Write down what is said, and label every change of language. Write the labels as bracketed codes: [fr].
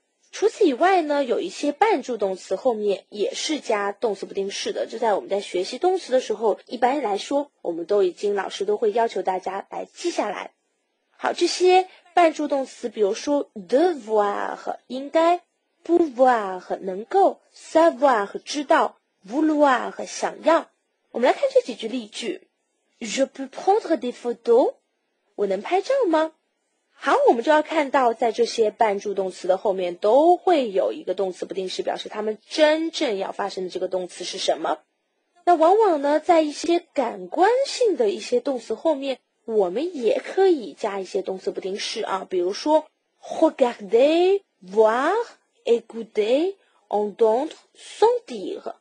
[zh] 除此以外呢，有一些半助动词后面也是加动词不定式的。就在我们在学习动词的时候，一般来说我们都已经老师都会要求大家来记下来。好，这些半助动词比如说 devoir 应该， pouvoir 能够， savoir 知道， vouloir 想要。我们来看这几句例句。 [fr] Je peux prendre des photos? [zh] 我能拍照吗？好，我们就要看到在这些半助动词的后面都会有一个动词不定式，表示他们真正要发生的这个动词是什么。那往往呢，在一些感官性的一些动词后面，我们也可以加一些动词不定式啊，比如说 regarder, voir, écouter, entendre, sentir。